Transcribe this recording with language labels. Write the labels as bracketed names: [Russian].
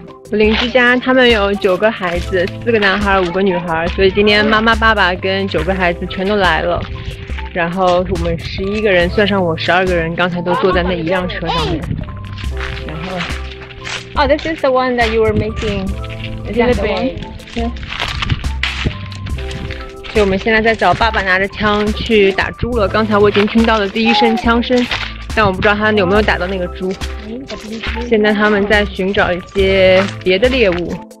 [Chinese] 我邻居家他们有九个孩子，四个男孩五个女孩，所以今天妈妈爸爸跟九个孩子全都来了，然后我们十一个人算上我十二个人刚才都坐在那一辆车上面。然后 [English] Oh, this is the one that you were making. Is that the one? Yeah. [Chinese] 所以我们现在在找爸爸拿着枪去打猪了，刚才我已经听到了第一声枪声，但我不知道他有没有打到那个猪。现在他们在寻找一些别的猎物。